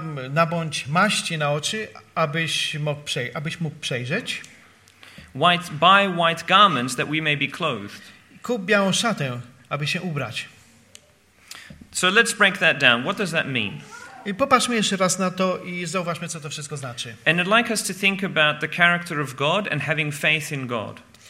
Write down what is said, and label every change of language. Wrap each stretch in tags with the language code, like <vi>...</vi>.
<pl>Nabądź maści na oczy, abyś mógł przejrzeć.</pl> <en>Buy white garments that we may be clothed.</en> <pl>Kup białą szatę, aby się ubrać.</pl> <en>So let's break that down. What does that mean?</en> <pl>I popatrzmy jeszcze raz na to i zauważmy, co to wszystko znaczy.</pl> <en>And I'd like us to think about the character of God and having faith in God.</en>